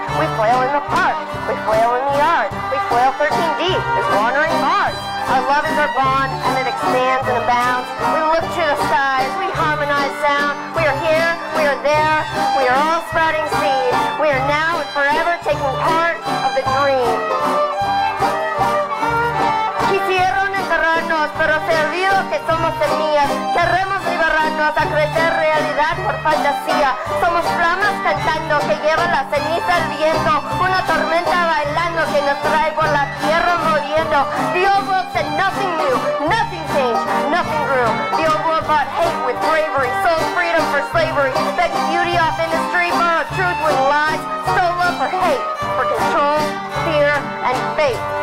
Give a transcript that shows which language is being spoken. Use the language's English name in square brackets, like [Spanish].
[English] We flail in the park, we flail in the yard, we flail 13 deep as wandering bards. Our love is our bond, and it expands and abounds. We look to the skies, we harmonize sound. We are here, we are there, we are all sprouting seed. We are now and forever taking part of the dream. [Spanish] Quisieron encerrarnos, pero se olvidó que somos semillas. Queremos liberarnos a crecer realidad por fantasía. Somos flamas cantando que lleva la ceniza al viento. Una tormenta bailando que nos trae por la tierra moviendo. [English] The old world said nothing new, nothing changed, nothing grew. The old world bought hate with bravery, sold freedom for slavery. Begged beauty off industry, borrowed truth with lies. Stole love for hate, for control, fear, and faith.